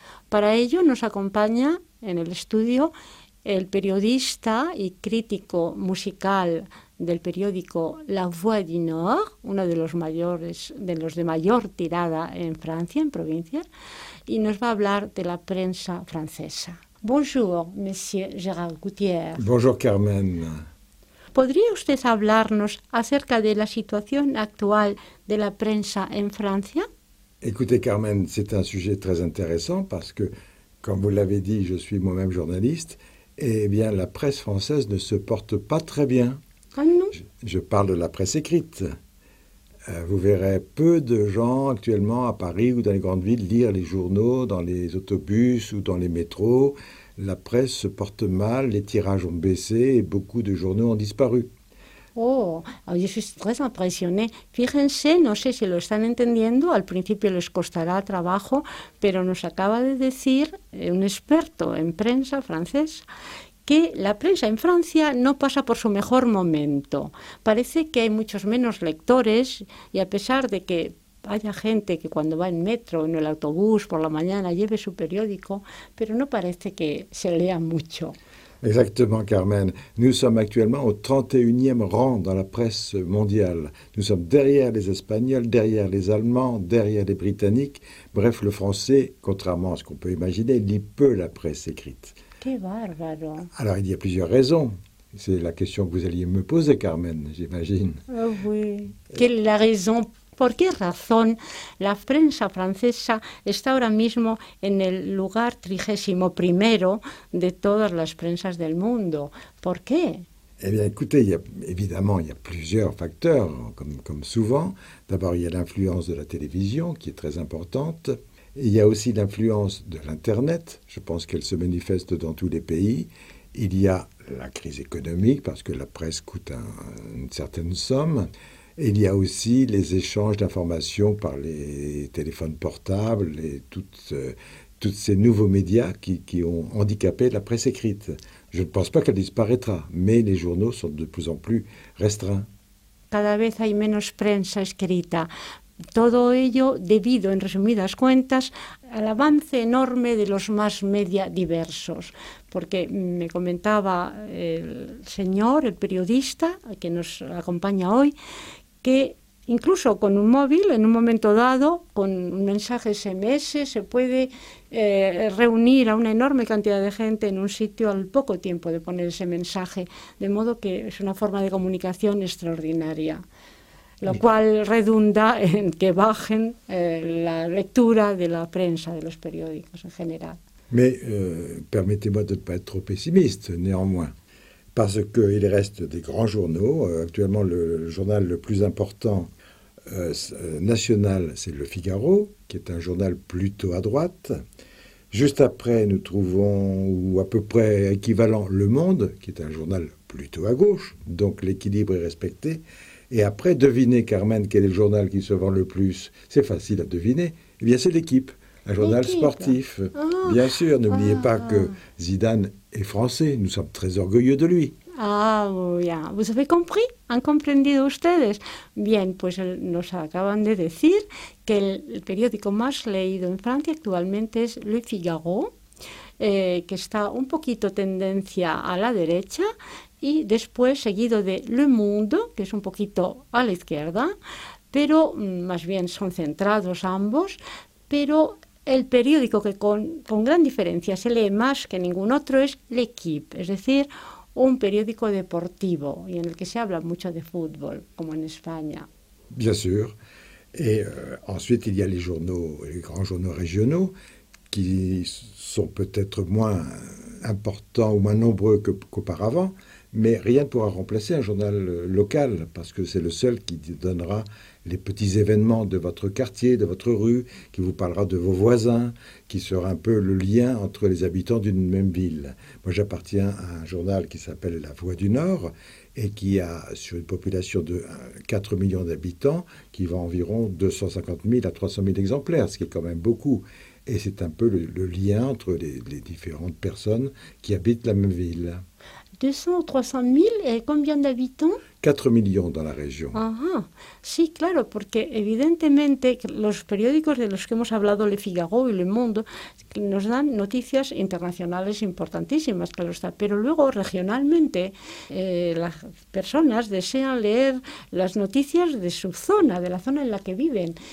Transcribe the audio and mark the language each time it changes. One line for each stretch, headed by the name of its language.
Spanish: Para ello nos acompaña en el estudio el periodista y crítico musical del periódico La Voix du Nord, uno de los mayores, de los de mayor tirada en Francia, en provincia, y nos va a hablar de la prensa francesa.
French: Bonjour, monsieur Gérard Gautier. Bonjour, Carmen.
Spanish: ¿Podría usted hablarnos acerca de la situación actual de la prensa en Francia?
French: Écoutez, Carmen, c'est un sujet très intéressant parce que, comme vous l'avez dit, je suis moi-même journaliste, et eh bien la presse française ne se porte pas très bien. Ah non? Je parle de la presse écrite. Vous verrez peu de gens actuellement à Paris ou dans les grandes villes lire les journaux, dans les autobus ou dans les métros. La presse se porte mal, les tirages ont baissé et beaucoup de journaux ont disparu.
Spanish: Oh, yo estoy muy impresionada. Fíjense, no sé si lo están entendiendo, al principio les costará trabajo, pero nos acaba de decir un experto en prensa francés que la prensa en Francia no pasa por su mejor momento. Parece que hay muchos menos lectores y a pesar de que haya gente que cuando va en metro o en el autobús por la mañana lleve su periódico, pero no parece que se lea mucho.
French: Exactement, Carmen. Nous sommes actuellement au 31e rang dans la presse mondiale. Nous sommes derrière les Espagnols, derrière les Allemands, derrière les Britanniques. Bref, le français, contrairement à ce qu'on peut imaginer, lit peu la presse écrite.
Spanish: Que bárbaro.
French: Alors, il y a plusieurs raisons. C'est la question que vous alliez me poser, Carmen, j'imagine. Oui. Quelle est la raison?
Spanish: ¿Por qué razón la prensa francesa está ahora mismo en el lugar 31º de todas las prensas del mundo? ¿Por qué?
French: Eh bien, écoutez, il y a plusieurs facteurs, comme souvent. D'abord, il y a l'influence de la télévision, qui est très importante. Il y a aussi l'influence de l'Internet. Je pense qu'elle se manifeste dans tous les pays. Il y a la crise économique, parce que la presse coûte une certaine somme. Et il y a aussi les échanges d'informations par les téléphones portables et toutes ces nouveaux médias qui ont handicapé la presse écrite. Je ne pense pas qu'elle disparaîtra, mais les journaux sont de plus en plus restreints.
Spanish: Cada vez hay menos prensa escrita. Todo ello debido, en resumidas cuentas, al avance enorme de los más media diversos. Porque me comentaba el señor, el periodista que nos acompaña hoy, que incluso con un móvil, en un momento dado, con un mensaje SMS, se puede reunir a una enorme cantidad de gente en un sitio al poco tiempo de poner ese mensaje, de modo que es una forma de comunicación extraordinaria, lo cual redunda en que bajen la lectura de la prensa, de los periódicos en general.
French: Mais permettez-moi de ne pas être trop pessimiste, néanmoins. Parce qu'il reste des grands journaux. Actuellement, le journal le plus important national, c'est Le Figaro, qui est un journal plutôt à droite. Juste après, nous trouvons, ou à peu près équivalent, Le Monde, qui est un journal plutôt à gauche. Donc l'équilibre est respecté. Et après, devinez, Carmen, quel est le journal qui se vend le plus? C'est facile à deviner. Eh bien, c'est L'Équipe, un journal L'Équipe. Sportif. Bien sûr, n'oubliez pas que Zidane est français. Nous sommes très orgueilleux de lui. Ah, bien. Vous avez compris?
Spanish: ¿Han comprendido ustedes? Bien, pues nos acaban de decir que el periódico más leído en Francia actualmente es Le Figaro, que está un poquito tendencia a la derecha, y después seguido de Le Monde, que es un poquito a la izquierda, pero más bien son centrados ambos, pero el periódico que con gran diferencia se lee más que ningún otro es L'Équipe, es decir, un periódico deportivo y en el que se habla mucho de fútbol, como en España.
French: Bien sûr. Et ensuite il y a les journaux, les grands journaux régionaux qui sont peut-être moins important ou moins nombreux qu'auparavant, mais rien ne pourra remplacer un journal local, parce que c'est le seul qui donnera les petits événements de votre quartier, de votre rue, qui vous parlera de vos voisins, qui sera un peu le lien entre les habitants d'une même ville. Moi, j'appartiens à un journal qui s'appelle La Voix du Nord, et qui a, sur une population de 4 millions d'habitants, qui vend environ 250 000 à 300 000 exemplaires, ce qui est quand même beaucoup. Et c'est un peu le lien entre les différentes personnes qui habitent la même ville. 200 ou 300 000, et combien d'habitants ? 4 millions dans la région.
Spanish: Ah, sí, claro, porque evidentemente los periódicos de los que hemos hablado, Le Figaro y Le Monde, nos dan noticias internacionales importantísimas, claro está, pero luego regionalmente las personas desean leer las noticias de su zona, de la zona en la que viven.